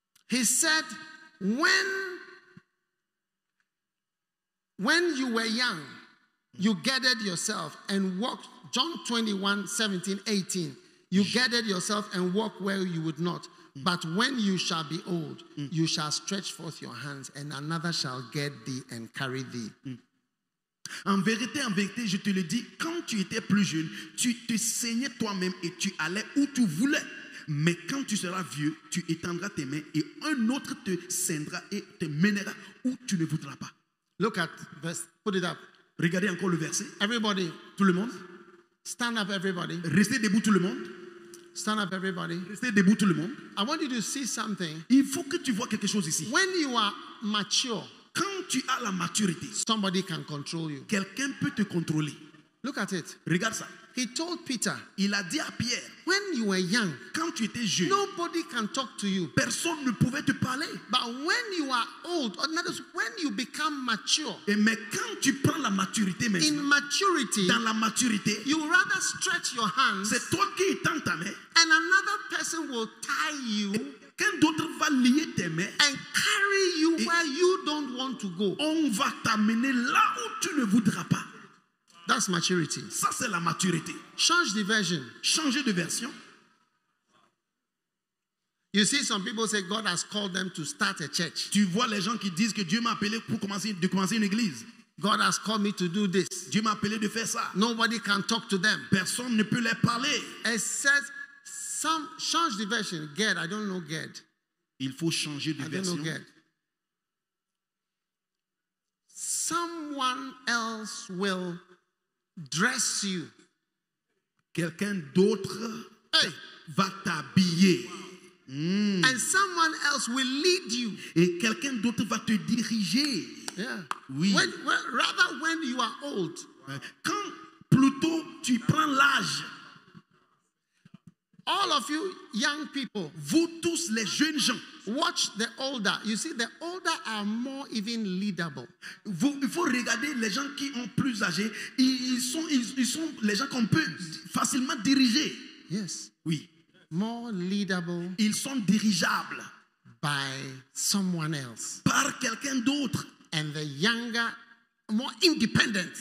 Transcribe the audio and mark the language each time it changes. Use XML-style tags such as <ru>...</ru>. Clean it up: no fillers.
<en>He said, when you were young, you gathered yourself and walked. John 21:17-18. You gathered yourself and walked where you would not. But when you shall be old, you shall stretch forth your hands, and another shall get thee and carry thee.</en> <fr>En vérité, je te le dis, quand tu étais plus jeune, tu te saignais toi-même et tu allais où tu voulais. Mais quand tu seras vieux, tu étendras tes mains et un autre te saindra et te mènera où tu ne voudras pas.</fr> <en>Look at verse, put it up.</en> <fr>Regardez encore le verset.</fr> <en>Everybody,</en> <fr>tout le monde.</fr> <en>Stand up, everybody.</en> <fr>Restez debout, tout le monde.</fr> <en>Stand up, everybody.</en> <fr>Restez debout, tout le monde.</fr> <en>I want you to see something.</en> <fr>Il faut que tu vois quelque chose ici.</fr> <en>When you are mature,</en> <fr>quand tu as la maturité,</fr> <en>somebody can control you.</en> <fr>Quelqu'un peut te contrôler.</fr> <en>Look at it.</en> <fr>Regarde ça.</fr> <en>He told Peter.</en> <fr>Il a dit à Pierre.</fr> <en>When you were young,</en> <fr>quand tu étais jeune,</fr> <en>nobody can talk to you.</en> <fr>Personne ne pouvait te parler.</fr> <en>But when you are old, or notice, when you become mature.</en> <fr>Et mais quand tu prends la maturité maintenant.</fr> <en>In maturity,</en> <fr>dans la maturité,</fr> <en>you rather stretch your hands.</en> <fr>C'est toi qui étends ta main.</fr> <en>And another person will tie you.</en> <fr>Quand d'autres va lier tes mains,</fr> <en>and carry you where you don't want to go.</en> <fr>On va t'amener là où tu ne voudras pas.</fr> <en>That's maturity.</en> <fr>Ça, c'est la maturité.</fr> <en>Change the version.</en> <fr>Changer de version.</fr> <en>You see, some people say God has called them to start a church.</en> <fr>Tu vois les gens qui disent que Dieu m'a appelé pour commencer une église.</fr> <en>God has called me to do this.</en> <fr>Dieu m'a appelé de faire ça.</fr> <en>Nobody can talk to them.</en> <fr>Personne ne peut les parler.</fr> <en>It says, some change the version. Get, I don't know get.</en> <fr>Il faut changer de version.</fr> <en>I don't know get. Someone else will dress you.</en> <fr>Quelqu'un d'autre va t'habiller.</fr> <en>And someone else will lead you.</en> <fr>Et quelqu'un d'autre va te diriger.</fr> <en>Yeah.</en> <fr>Oui.</fr> <en>When you are old.</en> <fr>Quand plutôt tu prends l'âge.</fr> <en>All of you young people,</en> <fr>vous tous les jeunes gens,</fr> <en>watch the older. You see, the older are more even leadable.</en> <fr>Vous regardez les gens qui ont plus âgés. Ils sont les gens qu'on peut facilement diriger.</fr> <en>Yes.</en> <fr>Oui.</fr> <en>More leadable.</en> <fr>Ils sont dirigeables.</fr> <en>By someone else.</en> <fr>Par quelqu'un d'autre.</fr> <en>And the younger, more independent.</en>